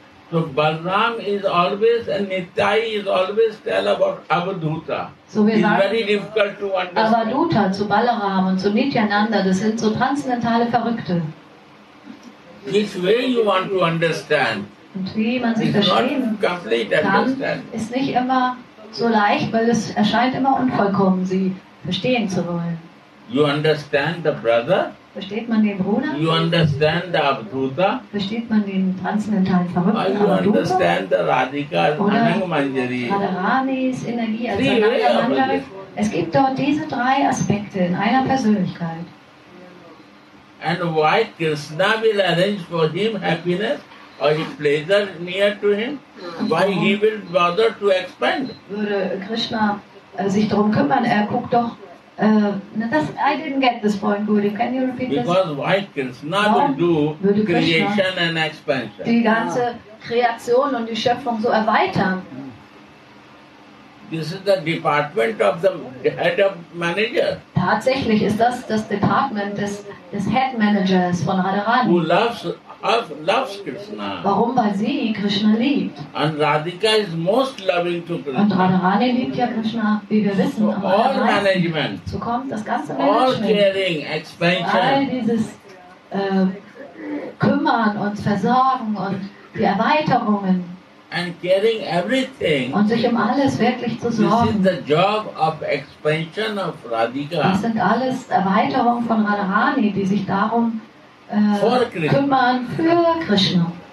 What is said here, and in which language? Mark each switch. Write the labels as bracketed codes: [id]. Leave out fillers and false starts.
[en] So Balram is always and Nithai is always tell about Avadhuta. [de] So wir sagen, [en] very difficult to understand. [de] Avadhuta zu Balaram und zu Nityananda, das sind so transzendentale Verrückte. [en] Which way you want to understand? [de] Und wie man sich verstehen kann, ist nicht immer so leicht, weil es erscheint immer unvollkommen, sie verstehen zu wollen. [en] You understand the brother? [de] Versteht man den Bruder? [en] You understand the Abduta? [de] Versteht man den transzendentalen Verrückten? [en] You understand the Radhika Anangamanjari? [de] Radharanis Energie als Anangamanjari? Es gibt dort diese drei Aspekte in einer Persönlichkeit. [en] And why Krishna will arrange for him happiness? Or his pleasure near to him, why he will bother to expand? [de] Würde Krishna sich darum kümmern, er guckt doch. [en] I didn't get this point, Guru. Can you repeat because this? Because why Krishna will do creation and expansion? [de] Die ganze Kreation und die Schöpfung so erweitern. [en] This is the department of the head of manager. [de] Tatsächlich ist das das Department des Head Managers von Radharani. [en] Who loves Krishna. [de] Warum? Weil sie Krishna liebt. [en] And Radhika is most loving to Krishna. [de] Und Radharani liebt ja Krishna, wie wir wissen. [en] So all management. [de] So kommt das ganze Management. [en] All caring, expansion. [de] All dieses Kümmern und Versorgen und die Erweiterungen. [en] And caring everything. [de] Und sich um alles wirklich zu sorgen. [en] This is the job of expansion of Radhika. [de] Das sind alles Erweiterungen von Radharani, die sich darum kümmern für Krishna.